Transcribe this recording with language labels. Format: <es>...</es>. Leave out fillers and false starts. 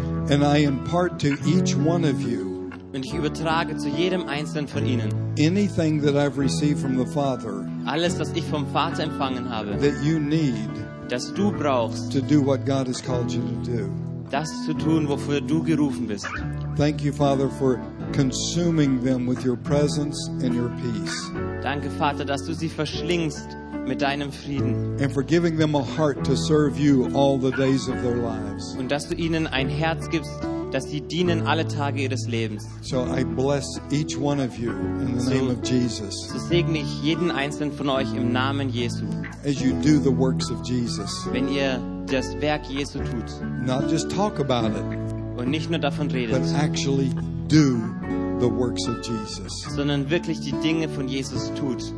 <en>And I impart to each one of you.</en> <de>Und ich übertrage zu jedem einzelnen von ihnen.</de> <en>Anything that I've received from the Father.</en> <de>Alles, was ich vom Vater empfangen habe.</de> <en>That you need.</en> <de>Das du brauchst.</de> <en>To do what God has called you to do.</en> <de>Das zu tun, wofür du gerufen bist.</de> <en>Thank you, Father, for consuming them with your presence and your peace.</en> <de>Danke, Vater, dass du sie verschlingst mit deinem Frieden.</de> <en>And for giving them a heart to serve you all the days of their lives.</en> <de>Und dass du ihnen ein Herz gibst, dass sie dienen alle Tage ihres Lebens.</de> <en>So I bless each one of you in the name of Jesus.</en> <de>So segne ich jeden einzelnen von euch im Namen Jesu.</de> <en>As you do the works of Jesus.</en> <de>Wenn ihr das Werk Jesu tut.</de> <en>Not just talk about it.</en> <de>Und nicht nur davon redet.</de> <en>But actually do the works of Jesus.</en> <de>Sondern wirklich die Dinge von Jesus tut.</de>